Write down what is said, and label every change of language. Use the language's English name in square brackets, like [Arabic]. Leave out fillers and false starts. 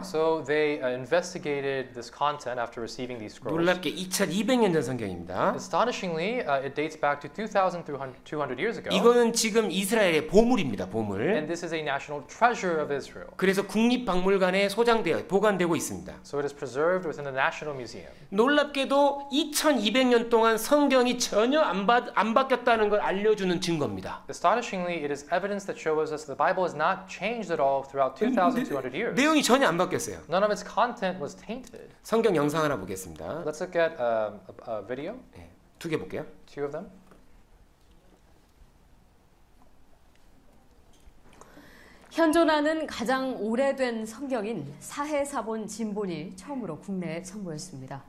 [English] So they investigated this content after receiving these scrolls. [Korean] 놀랍게 2200년 전 성경입니다. [English] Astonishingly, it dates back to 2,200 years ago. [Korean] 이거는 지금 이스라엘의 보물입니다. 보물. [English] And this is a national treasure of Israel. [Korean] 그래서 국립박물관에 소장되어 보관되고 있습니다. [English] So it is preserved within the national museum. [Korean] 놀랍게도 2200년 동안 성경이 전혀 안 바뀌었다는 걸 알려주는 증거입니다. [English] Astonishingly, it is evidence that shows us the Bible has not changed at all throughout 2,200 years. [Korean] 내용이 전혀 안 바뀌었어요. [English] None of its content was tainted. [Korean] 성경 영상 하나 보겠습니다. [English] Let's look at a video. [Korean] 네, 두 개 볼게요. [English] Two of them. [Korean] 현존하는 가장 오래된 성경인 사해 사본 진본이 처음으로 국내에 선보였습니다.